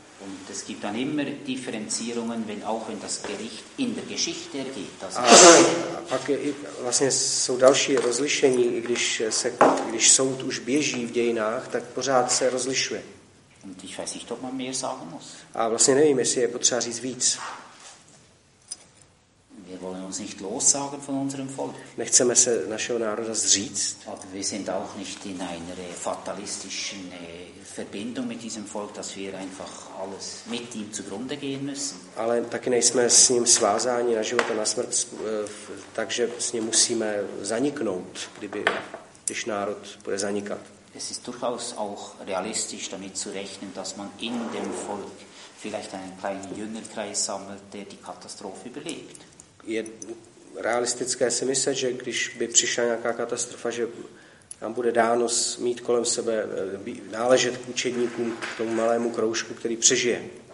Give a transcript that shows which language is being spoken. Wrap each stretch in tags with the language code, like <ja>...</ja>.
<de>Und es gibt dann immer Differenzierungen, wenn auch wenn das Gericht in der Geschichte ergeht.</de> <cs>Das a pak je, vlastně jsou další rozlišení, když soud už běží v dějinách, tak pořád se rozlišuje.</cs> <de>Und ich weiß nicht, ob man mehr sagen muss.</de> <cs>A vlastně nevím, jestli je potřeba říct víc.</cs> <de>Wir wollen uns nicht lossagen von unserem Volk.</de> <cs>Nechceme se našeho národa zříct.</cs> <de>Aber wir sind auch nicht in einer fatalistischen Verbindung mit diesem Volk, dass wir einfach alles mit ihm zugrunde gehen müssen.</de> <cs>Ale taky nejsme s ním svázáni na život a na smrt, takže s ním musíme zaniknout, když národ bude zanikat.</cs> <de>Es ist durchaus auch realistisch damit zu rechnen, dass man in dem Volk vielleicht einen kleinen Jüngerkreis sammelt, der die Katastrophe überlebt.</de> <cs>Je realistické si myslet, že když by přišla nějaká katastrofa, že tam bude dáno mít kolem sebe, náležet k učedníkům, k tomu malému kroužku, který přežije.</cs>